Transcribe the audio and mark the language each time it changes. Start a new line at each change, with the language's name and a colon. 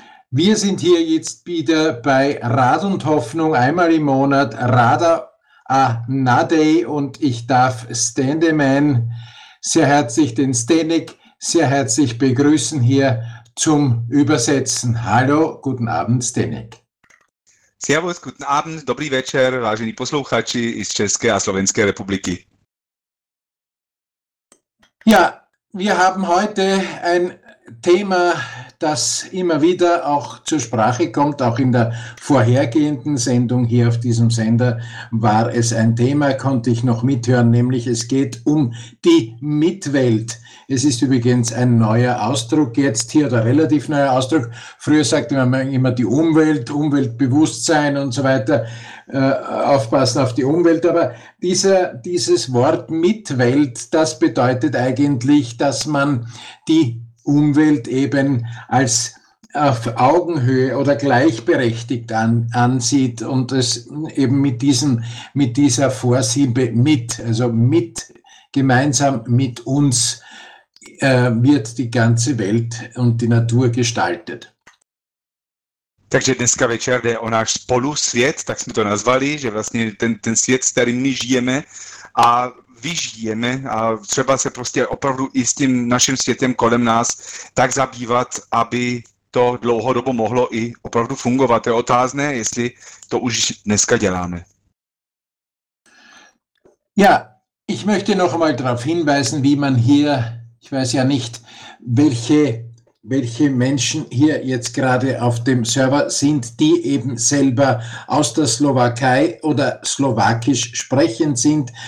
German: Wir sind hier jetzt wieder bei Rad und Hoffnung, einmal im Monat, Radar Nadei, und ich darf Standeman sehr herzlich, den Stenik sehr herzlich begrüßen hier zum Übersetzen. Hallo, guten Abend, Stenik. Servus, guten Abend,
Czech: dobrý večer, vážení posluchači z České a Slovenské republiky.
German: Ja, wir haben heute ein Thema, das immer wieder auch zur Sprache kommt. Auch in der vorhergehenden Sendung hier auf diesem Sender war es ein Thema, konnte ich noch mithören, nämlich es geht um die Mitwelt. Es ist übrigens ein neuer Ausdruck jetzt hier, oder relativ neuer Ausdruck. Früher sagte man immer die Umwelt, Umweltbewusstsein und so weiter, aufpassen auf die Umwelt. Aber dieses Wort Mitwelt, das bedeutet eigentlich, dass man die Umwelt eben als auf Augenhöhe oder gleichberechtigt ansieht und es eben mit dieser Vorsilbe mit, also mit, gemeinsam mit uns wird die ganze Welt und die Natur gestaltet.
Czech: Takže dneska večer jde o náš spolusvět, tak jsme to nazvali, že vlastně ten svět, s kterým my žijeme a vyžijeme a třeba se prostě opravdu i s tím naším světem kolem nás tak zabývat, aby to dlouhodobo mohlo i opravdu fungovat. Je otázné, jestli to už dneska děláme.
German: Ja, ich möchte noch mal darauf hinweisen, wie man hier, ich weiß ja nicht, welche Menschen hier jetzt gerade auf dem Server sind, die eben selber aus der Slowakei oder slowakisch sprechend sind.